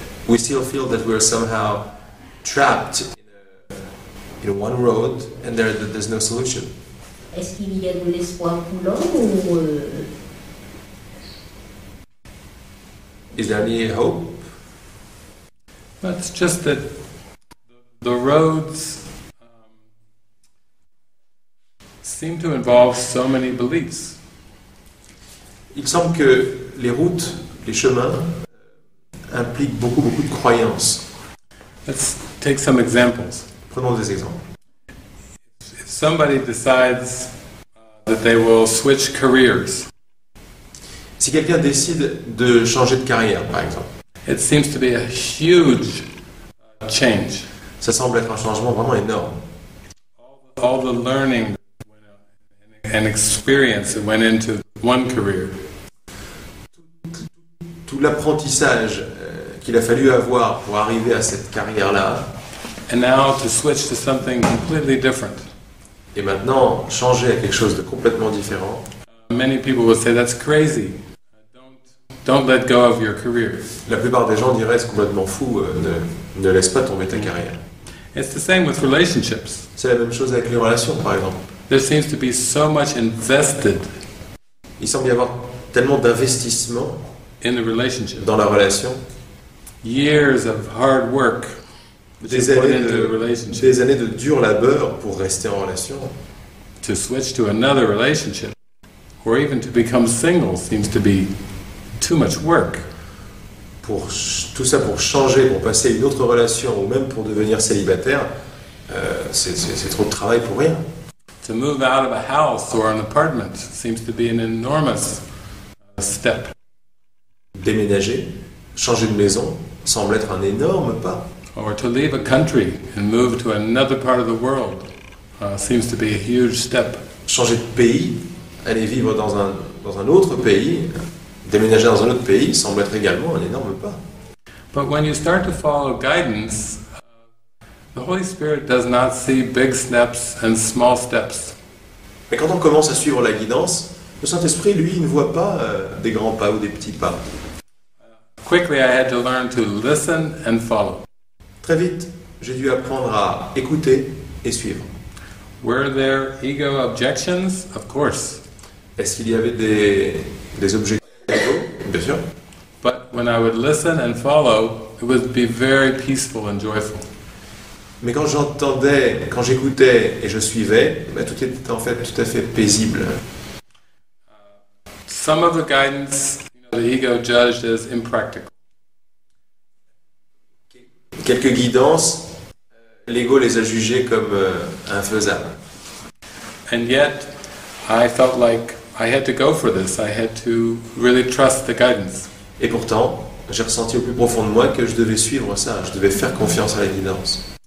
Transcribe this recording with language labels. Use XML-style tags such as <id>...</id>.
<en>We still feel that we're somehow trapped in one road and there's no solution.</en> <fr>Est-ce qu'il y a de l'espoir pour l'homme ou...</fr> <en>Is there any hope? That's just that the roads seem to involve so many beliefs.</en> <fr>Il semble que les routes, les chemins, impliquent beaucoup, beaucoup de croyances.</fr> <en>Let's take some examples.</en> <fr>Prenons des exemples.</fr> <en>If somebody decides that they will switch careers.</en> <fr>Si quelqu'un décide de changer de carrière, par exemple.</fr> <en>It seems to be a huge change.</en> <fr>Ça semble être un changement vraiment énorme.</fr> <en>All the learning and experience that went into one career.</en> <fr>Tout l'apprentissage qu'il a fallu avoir pour arriver à cette carrière-là.</fr> <en>And now to switch to something completely different.</en> <fr>Et maintenant, changer à quelque chose de complètement différent.</fr> <en>Many people would say that's crazy. Don't let go of your career.</en> <fr>La plupart des gens diraient c'est complètement fou, ne laisse pas tomber ta carrière.</fr> <en>It's the same with relationships.</en> <fr>C'est la même chose avec les relations, par exemple.</fr> <en>There seems to be so much invested.</en> <fr>Il semble y avoir tellement d'investissement</fr> <en>in the relationship.</en> <fr>Dans la relation.</fr> <en>Years of hard work.</en> <fr>Des années de dur labeur pour rester en relation.</fr> <en>To switch to another relationship, or even to become single, seems to be too much work.</en> <fr>Pour tout ça, pour changer, pour passer à une autre relation, ou même pour devenir célibataire, c'est trop de travail pour rien.</fr> <en>To move out of a house or an apartment seems to be an enormous step.</en> <fr>déménager, changer de maison, semble être un énorme pas.</fr> <en>Or to leave a country and move to another part of the world seems to be a huge step.</en> <fr>Changer de pays, aller vivre dans un autre pays, déménager dans un autre pays semble être également un énorme pas.</fr> <en>But when you start to follow guidance, the Holy Spirit does not see big steps and small steps.</en> <fr>Mais quand on commence à suivre la guidance, le Saint-Esprit, lui, ne voit pas des grands pas ou des petits pas.</fr> <en>Quickly, I had to learn to listen and follow.</en> <fr>Très vite, j'ai dû apprendre à écouter et suivre.</fr> <en>Were there ego objections? Of course.</en> <fr>Est-ce qu'il y avait des objections d'ego? Bien sûr.</fr> <en>But when I would listen and follow, it would be very peaceful and joyful.</en> <fr>Mais quand j'entendais, quand j'écoutais et je suivais, bah, tout était en fait tout à fait paisible.</fr> <en>Some of the guidance, you know, the ego judged as impractical.</en> <fr>Quelques guidances, l'ego les a jugées comme infaisables.</fr> <en>And yet, I felt like I had to go for this. I had to really trust the guidance.</en> <fr>Et pourtant, j'ai ressenti au plus profond de moi que je devais suivre ça. Je devais faire confiance à la guidance.</fr>